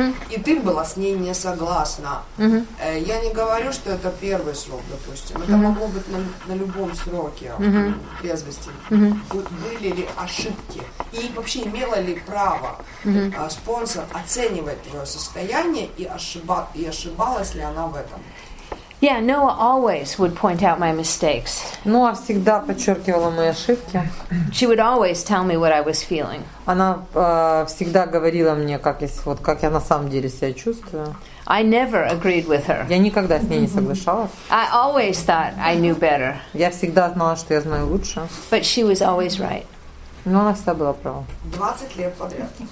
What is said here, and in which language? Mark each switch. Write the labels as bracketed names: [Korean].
[Russian] И ты была с ней не согласна. Я не говорю, что это первый срок, допустим. Это могло быть на любом сроке трезвости. Были ли ошибки? И вообще, имела ли право спонсор оценивать твое состояние и ошибалась ли она в этом? [English] Yeah, Noah always would point out my mistakes. [Russian] Ноа всегда подчеркивала мои ошибки. [English] She would always tell me what I was feeling. [Russian] Она всегда говорила мне, как я на самом деле себя чувствую. [English] I never agreed with her. [Russian] Я никогда с ней не соглашалась. [English] I always thought I knew better. [Russian] Я всегда знала, что я знаю лучше. [English] But she was always right. [Russian] Но она всегда была права. 20 лет подряд.